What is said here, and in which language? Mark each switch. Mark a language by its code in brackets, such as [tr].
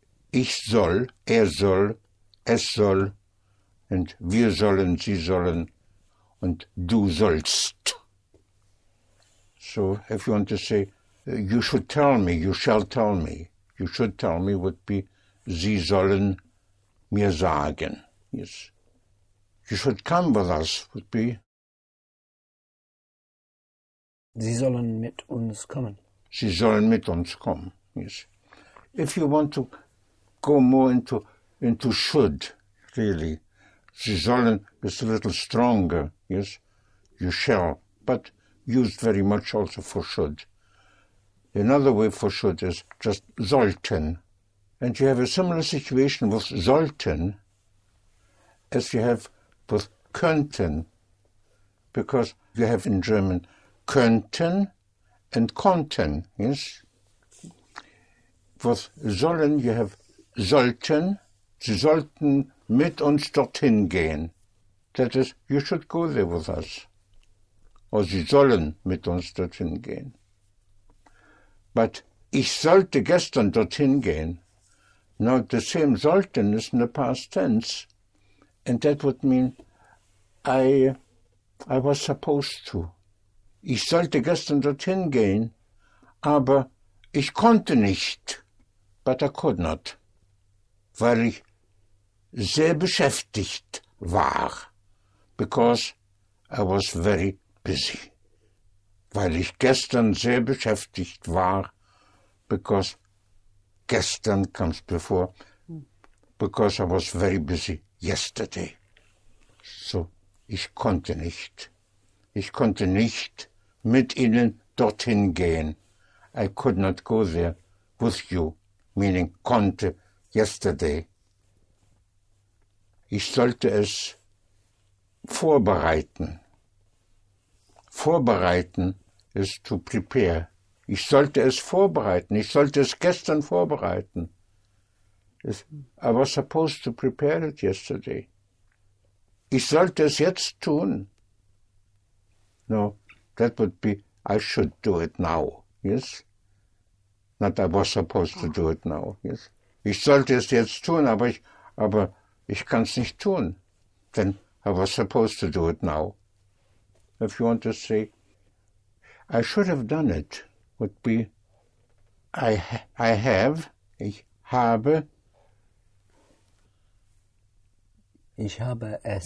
[de] Ich soll, soll, es soll, and wir sollen, sie sollen, and du sollst. [en] So if you want to say, you should tell me, you shall tell me, you should tell me would be, [de] sie sollen mir sagen. [en] Yes. You should come with us would be. [de] Sie sollen mit uns kommen. Sie sollen mit uns kommen. [en] Yes. If you want to go more into should, really, [de] sie sollen [en] is a little stronger. Yes. You shall, but used very much also for should. Another way for should is just sollten. And you have a similar situation with sollten as you have with könnten, because you have in German könnten and konnten, yes? With sollen, you have sollten, [de] sie sollten mit uns dorthin gehen. [en] That is, you should go there with us. [de] Or sie sollen mit uns dorthin gehen. But ich sollte gestern dorthin gehen. [en] Now, the same sollten is in the past tense, and that would mean I was supposed to. [de] Ich sollte gestern dorthin gehen, aber ich konnte nicht, [en] but I could not, [de] weil ich sehr beschäftigt war, [en] because I was very busy, [de] weil ich gestern sehr beschäftigt war, [en] because gestern comes before, because I was very busy yesterday. [de] So, ich konnte nicht. Ich konnte nicht mit Ihnen dorthin gehen. [en] I could not go there with you, meaning konnte yesterday. [de] Ich sollte es vorbereiten. Vorbereiten [en] is to prepare. [de] Ich sollte es vorbereiten. Ich sollte es gestern vorbereiten. [en] I was supposed to prepare it yesterday. [de] Ich sollte es jetzt tun. [en] No, that would be, I should do it now. Yes? Not I was supposed to do it now. Yes? [de] Ich sollte es jetzt tun, aber ich kann es nicht tun. [en] Then I was supposed to do it now. If you want to say, I should have done it. Would be, I have, [de] ich habe Ich habe es